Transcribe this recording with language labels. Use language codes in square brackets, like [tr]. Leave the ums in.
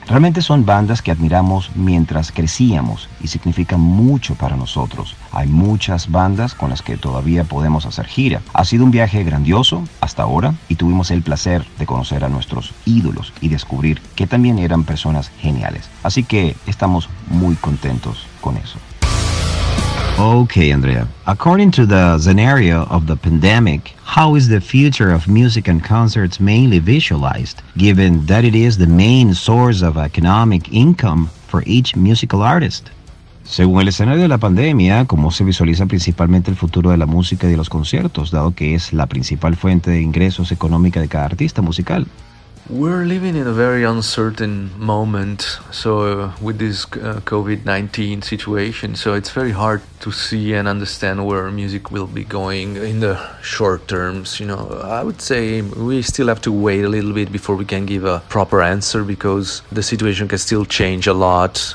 [es] Realmente son bandas que admiramos mientras crecíamos y significan mucho para nosotros. Hay muchas bandas con las que todavía podemos hacer gira. Ha sido un viaje grandioso hasta ahora y tuvimos el placer de conocer a nuestros ídolos y descubrir que también eran personas geniales. Así que estamos muy contentos con eso. [en] Okay, Andrea. According to the scenario of the pandemic, how is the future of music and concerts mainly visualized, given that it is the main source of economic income for each musical artist? [es] Según el escenario de la pandemia, ¿cómo se visualiza principalmente el futuro de la música y de los conciertos, dado que es la principal fuente de ingresos económica de cada artista musical? [en] We're living in a very uncertain moment. So uh, with this uh, COVID-19 situation, so it's very hard to see and understand where music will be going in the short terms, you know. I would say we still have to wait a little bit before we can give a proper answer because the situation can still change a lot.